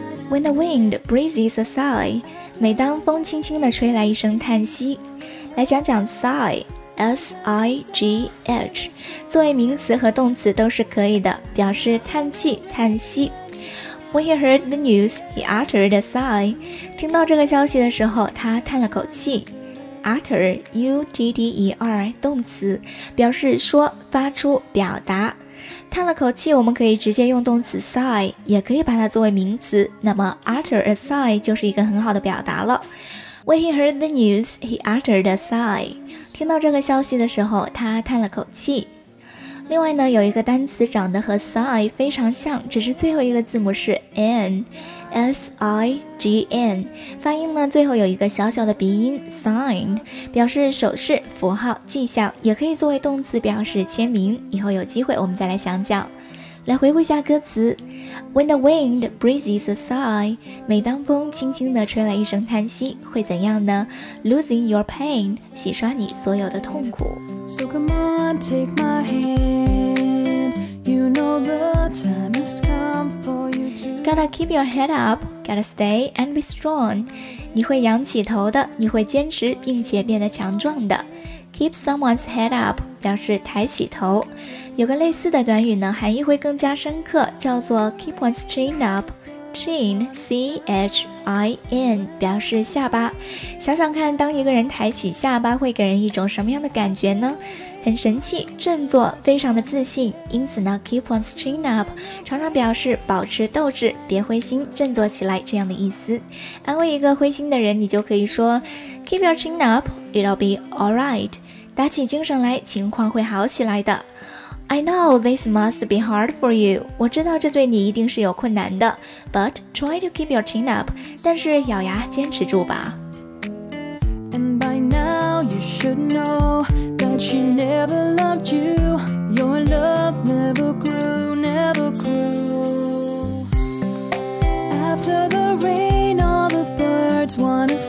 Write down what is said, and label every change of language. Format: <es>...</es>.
<en>When the wind breezes a sigh，</en> <zh>每当风轻轻地吹来一声叹息。来讲讲 sighSIGH， 作为名词和动词都是可以的，表示叹气、叹息。</zh> <en>When he heard the news, he uttered a sigh.</en> <zh>听到这个消息的时候，他叹了口气。Utter, U-T-T-E-R， 动词，表示说、发出、表达。叹了口气，我们可以直接用动词 sigh， 也可以把它作为名词。那么</zh> <en>utter a sigh</en> <zh>就是一个很好的表达了。</zh> <en>When he heard the news, he uttered a sigh.</en> <zh>听到这个消息的时候，他叹了口气。另外呢，有一个单词长得和 sigh 非常像，只是最后一个字母是 n， sign， 发音呢最后有一个小小的鼻音 sign， 表示手势、符号、迹象，也可以作为动词表示签名。以后有机会我们再来讲讲。来回顾一下歌词。</zh> <en>When the wind breezes a sigh，</en> <zh>每当风轻轻地吹来一声叹息，会怎样呢？</zh> <en>Losing your pain，</en> <zh>洗刷你所有的痛苦。</zh> <en>So come on take my hand， You know the time has come for you to Gotta keep your head up， Gotta stay and be strong，</en> <zh>你会仰起头的，你会坚持并且变得强壮的。</zh> <en>Keep someone's head up</en> <zh>表示抬起头。有个类似的短语呢，含义会更加深刻，叫做</zh> <en>keep one's chin up。</en> <zh>Chin, C-H-I-N 表示下巴。想想看，当一个人抬起下巴会给人一种什么样的感觉呢？很神气、振作、非常的自信。因此呢，</zh> <en>keep one's chin up</en> <zh>常常表示保持斗志、别灰心、振作起来这样的意思。安慰一个灰心的人，你就可以说</zh> <en>keep your chin up, it'll be alright，</en> <zh>打起精神来，情况会好起来的。</zh> <en>I know this must be hard for you，</en> <zh>我知道这对你一定是有困难的。</zh> <en>But try to keep your chin up，</en> <zh>但是咬牙坚持住吧。</zh> <en>And by now you should knowShe never loved you. Your love never grew, never grew. After the rain, all the birds wanted</en>